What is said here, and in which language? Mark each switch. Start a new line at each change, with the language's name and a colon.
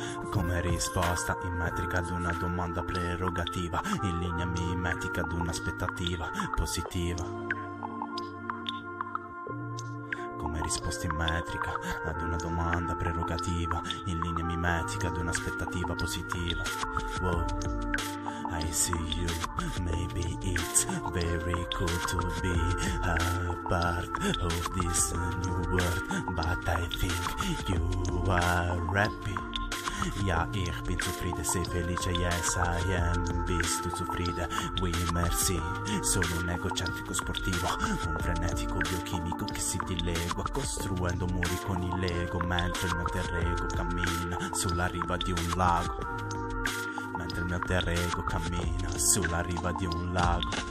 Italian: Come risposta in metrica ad una domanda prerogativa, in linea mimetica ad un'aspettativa positiva. Risposta in metrica ad una domanda prerogativa, in linea mimetica ad un'aspettativa positiva.
English: Wow, I see you, maybe it's very cool to be a part of this new world, but I think you are happy.
German: Ja, ich bin zufrieden,
Italian: sei felice,
English: yes I am,
German: bist du zufrieden,
French: oui merci.
Italian: Sono un egocentrico sportivo, un frenetico biochimico che si dilegua costruendo muri con il lego, mentre il mio alter ego cammina sulla riva di un lago. Mentre il mio alter ego cammina sulla riva di un lago.